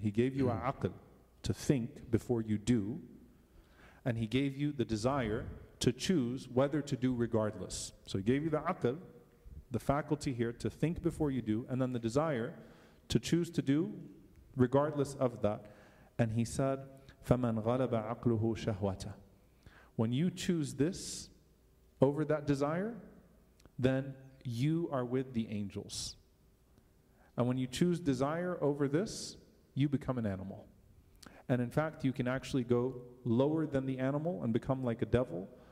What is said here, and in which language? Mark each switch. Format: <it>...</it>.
<en>He gave you aql to think before you do. And He gave you the desire to choose whether to do regardless. So He gave you the aql, the faculty here to think before you do, and then the desire to choose to do regardless of that. And He said,</en> <ar>فَمَنْ غَلَبَ عَقْلُهُ شَهْوَةَ.</ar> <en>When you choose this over that desire, then you are with the angels. And when you choose desire over this, you become an animal. And in fact, you can actually go lower than the animal and become like a devil.</en>